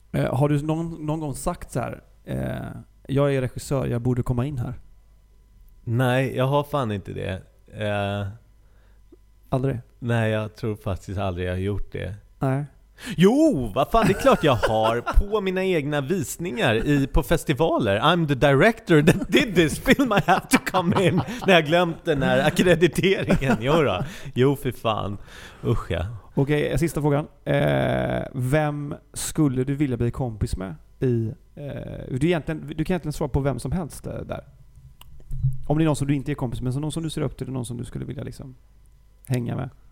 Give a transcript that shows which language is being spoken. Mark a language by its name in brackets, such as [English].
[Swedish] Har du någon gång sagt så här: jag är regissör, jag borde komma in här? Nej, jag har fan inte det. Aldrig? Nej, jag tror faktiskt aldrig jag har gjort det. Nej. Jo, vad fan, det är klart jag har på mina egna visningar på festivaler. [English] I'm the director that did this film, I have to come in. [Swedish] När jag glömt den här akkrediteringen. Jo, för fan. Usch, ja. Okej, sista frågan. Vem skulle du vilja bli kompis med? Du kan egentligen svara på vem som helst där. Om det är någon som du inte är kompis med, så någon som du ser upp till, eller någon som du skulle vilja liksom hänga med.